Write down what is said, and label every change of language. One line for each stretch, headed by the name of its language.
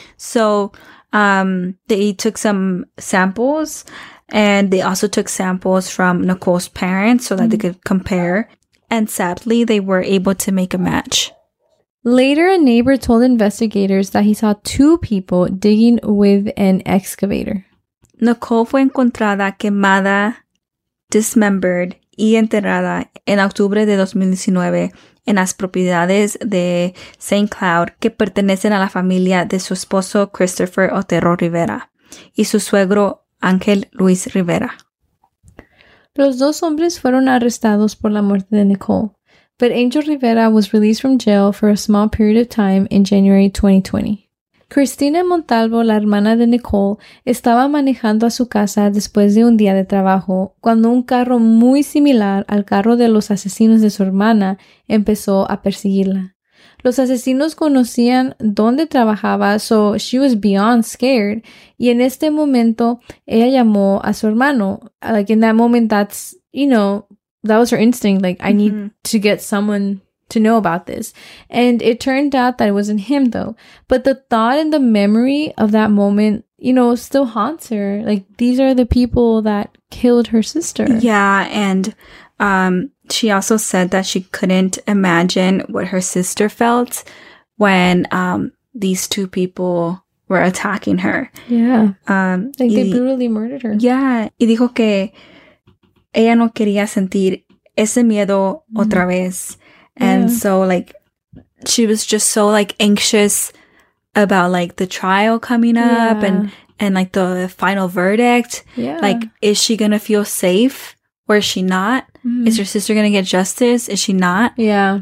English: So they took some samples, and they also took samples from Nicole's parents so that mm-hmm. they could compare. And sadly, they were able to make a match. Later, a neighbor told investigators that he saw two people digging with an excavator.
Spanish: Nicole fue encontrada quemada, dismembered, y enterrada en octubre de 2019 en las propiedades de St. Cloud que pertenecen a la familia de su esposo Christopher Otero Rivera y su suegro Ángel Luis Rivera. Los dos hombres fueron arrestados por la muerte de Nicole,
English: but Angel Rivera was released from jail for a small period of time in January 2020.
Spanish: Cristina Montalvo, la hermana de Nicole, estaba manejando a su casa después de un día de trabajo cuando un carro muy similar al carro de los asesinos de su hermana empezó a perseguirla. Los asesinos conocían dónde trabajaba,
English: so she was beyond scared.
Spanish: Y en este momento, ella llamó a su hermano.
English: Like, in that moment, that's, you know, that was her instinct. Like, I need to get someone to know about this. And it turned out that it wasn't him, though. But the thought and the memory of that moment, you know, still haunts her. Like, these are the people that killed her sister. Yeah, and she also said that she couldn't imagine what her sister felt when these two people were attacking her. Yeah. Like, they brutally murdered her. Yeah.
Spanish: Y dijo que ella no quería sentir ese miedo otra vez.
English: And so, like, she was just so, like, anxious about, like, the trial coming up and like, the final verdict. Yeah. Like, is she going to feel safe or is she not? Mm-hmm. Is her sister going to get justice? Is she not? Yeah.